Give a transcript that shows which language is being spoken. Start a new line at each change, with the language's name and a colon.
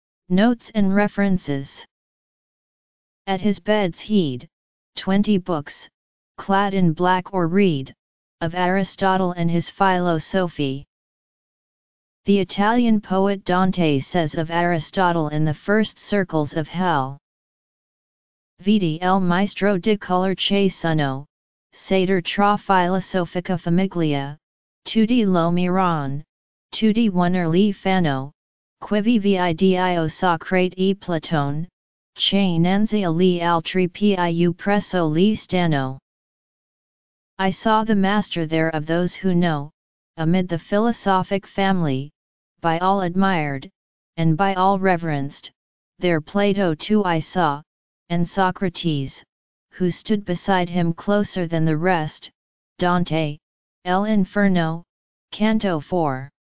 English: Notes and references. At his bed's head, 20 books, clad in black or reed, of Aristotle and his philosophy. The Italian poet Dante says of Aristotle in the first circles of hell.
Italian: Vidi el maestro di color che sono, seder tra filosofica famiglia, tutti lo miran, tutti wonder li fanno, quivi vidio Socrate e Platone, che nanzia li altri piu presso li stanno.
English: I saw the master there of those who know, amid the philosophic family, by all admired, and by all reverenced, there Plato too I saw, and Socrates, who stood beside him closer than the rest, Dante, El Inferno, Canto 4.